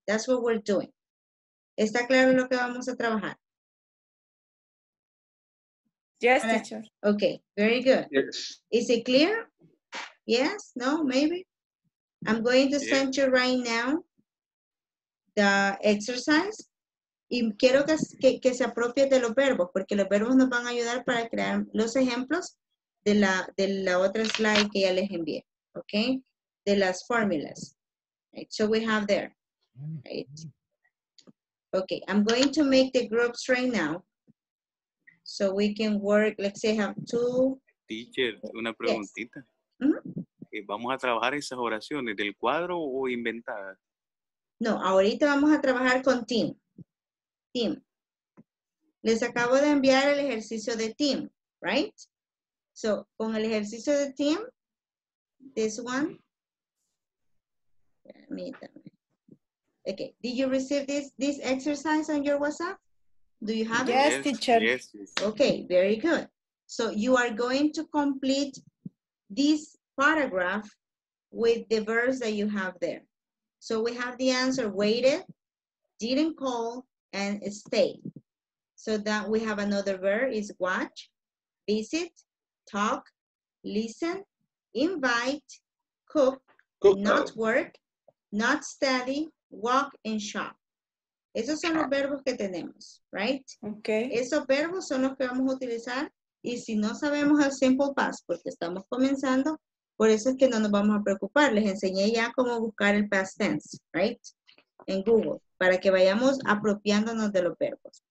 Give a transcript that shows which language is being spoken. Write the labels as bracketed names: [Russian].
[English] That's what we're doing. [Spanish] ¿Está claro lo que vamos a trabajar? [English] Yes, teacher. Okay, very good. Yes. Is it clear? Yes, no, maybe? I'm going to send you right now the exercise. [Spanish] Y quiero que se apropie de los verbos, porque los verbos nos van a ayudar para crear los ejemplos de la otra slide que ya les envié, okay? De las fórmulas. [English] Right, so we have there, right? Okay, I'm going to make the groups right now so we can work. Let's say I have two. [Spanish] Teacher, una preguntita. [English] Yes. [Spanish] Mm-hmm. ¿Vamos a trabajar esas oraciones del cuadro o inventadas? No, ahorita vamos a trabajar con Tim. Tim. Les acabo de enviar el ejercicio de Tim, right? So, con el ejercicio de Tim, [English] this one. [Spanish] Permítame. [English] Okay, did you receive this exercise on your WhatsApp? Do you have yes, Yes, teacher. Yes. Okay, very good. So you are going to complete this paragraph with the verbs that you have there. So we have the answer waited, didn't call, and stayed. So that we have another verb is watch, visit, talk, listen, invite, cook, not work, not study, walk, and shop. [Spanish] Esos son los verbos que tenemos, right? Okay. Esos verbos son los que vamos a utilizar. Y si no sabemos el simple past, porque estamos comenzando, por eso es que no nos vamos a preocupar. Les enseñé ya cómo buscar el past tense, right? En Google, para que vayamos apropiándonos de los verbos.